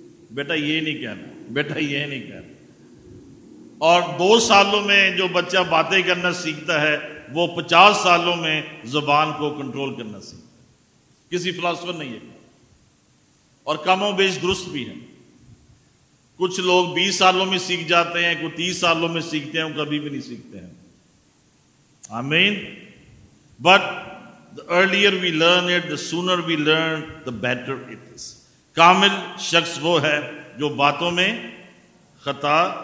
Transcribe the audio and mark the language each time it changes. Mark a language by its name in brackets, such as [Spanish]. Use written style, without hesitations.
[Urdu] بیٹا یہ نہیں کہنا. اور 2 سالوں میں جو بچہ باتیں کرنا سیکھتا ہے، وہ 50 سالوں میں زبان کو کنٹرول کرنا سیکھتا ہے. کسی فلاسفر نے یہ کہا، اور کم و بیش درست بھی ہے. کچھ لوگ 20 سالوں میں سیکھ جاتے ہیں، کوئی 30 سالوں میں سیکھتے ہیں، وہ کبھی بھی نہیں سیکھتے ہیں. آمین. [English] But the earlier we learn it, the sooner we learn, the better it is. [Urdu] کامل شخص وہ ہے جو باتوں میں خطا.